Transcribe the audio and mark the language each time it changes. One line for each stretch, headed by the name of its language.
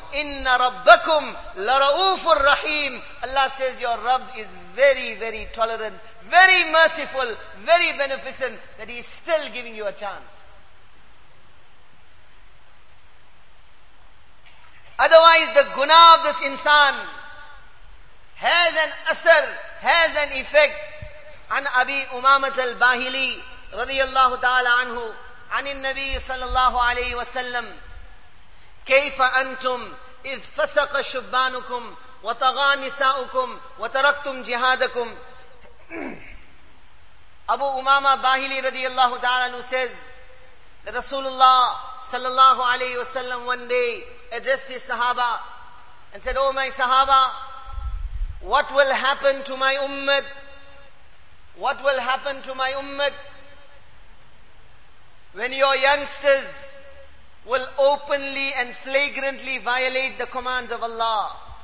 Arabic: Inna rabbakum laraufur rahim.
English: Allah says your Rabb is very, very tolerant, very merciful, very beneficent, that He is still giving you a chance. Otherwise the guna of this insan has an asar, has an effect.
Arabic: An Abi Umamah al-Bahili radiyallahu ta'ala anhu, عن النبي صلى الله عليه وسلم كيف أنتم إذ فسق شبانكم وطغى نساؤكم وتركتم جهادكم.
English: Abu Umama Bahili رضي الله تعالى عنه says that Rasulullah صلى الله عليه وسلم one day addressed his Sahaba and said, oh my Sahaba, what will happen to my ummah? What will happen to my ummah when your youngsters will openly and flagrantly violate the commands of Allah?